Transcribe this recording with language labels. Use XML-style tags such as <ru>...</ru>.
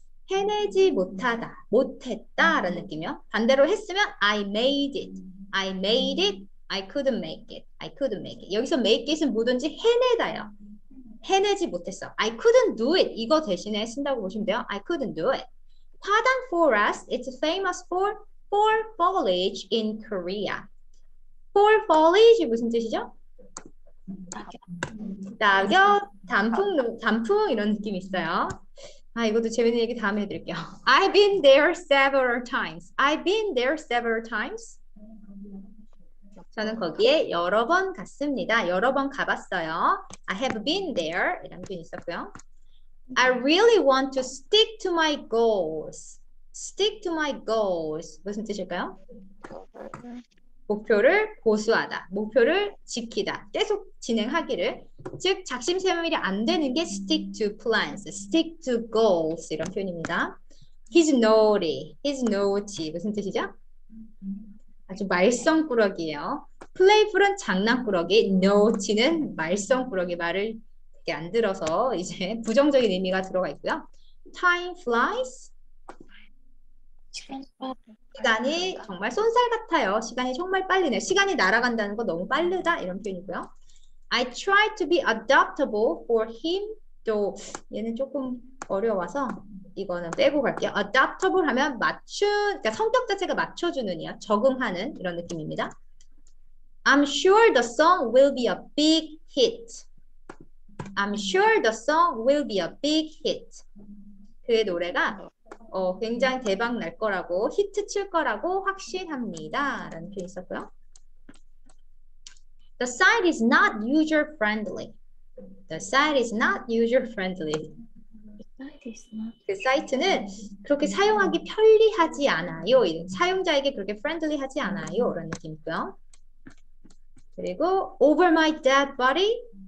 <ko>해내지 못하다, 못했다라는 느낌이요. 반대로 했으면</ko> <en>I made it. I made it. I couldn't make it. I couldn't make it.</en> <ko>여기서 make it은 뭐든지 해내다요. 해내지 못했어.</ko> <en>I couldn't do it.</en> <ko>이거 대신에 쓴다고 보시면 돼요.</ko> <en>I couldn't do it. Padang Forest is famous for fall foliage in Korea.</en> <ko>Fall foliage 무슨 뜻이죠? 낙엽, 단풍 이런 느낌 있어요. 아, 이것도 재밌는 얘기 다음에 해드릴게요.</ko> <en>I've been there several times. I've been there several times.</en> <ko>저는 거기에 여러 번 갔습니다. 여러 번 가봤어요.</ko> <en>I have been there.</en> <ko>이런 게 있었고요.</ko> <en>I really want to stick to my goals. Stick to my goals.</en> <ko>무슨 뜻일까요? 목표를 고수하다. 목표를 지키다. 계속 진행하기를. 즉, 작심삼일이 안 되는 게</ko> <en>stick to plans, stick to goals.</en> <ko>이런 표현입니다.</ko> <en>He's naughty. He's naughty.</en> <ko>무슨 뜻이죠? 아주 말썽꾸러기예요. Playful은 장난꾸러기. Naughty는 말썽꾸러기. 말을 이렇게 안 들어서 이제 부정적인 의미가 들어가 있고요.</ko> <en>Time flies.</en> <ko>시간이 정말 쏜살 같아요. 시간이 정말 빨리네요. 시간이 날아간다는 거 너무 빠르다 이런 표현이고요.</ko> <en>I try to be adaptable for him.</en> <ko>또 얘는 조금 어려워서 이거는 빼고 갈게요. Adaptable 하면 그러니까 성격 자체가 맞춰주는이야. 적응하는 이런 느낌입니다.</ko> <en>I'm sure the song will be a big hit. I'm sure the song will be a big hit.</en> <ko>그의 노래가 굉장히 대박 날 거라고, 히트 칠 거라고 확신합니다. 라는 게 있었고요.</ko> <en>The site is not user friendly. The site is not user friendly.</en> <ko>그 사이트는 그렇게 사용하기 편리하지 않아요. 사용자에게 그렇게 friendly 하지 않아요. 라는 느낌이고요. 그리고</ko> <en>over my dead body.</en>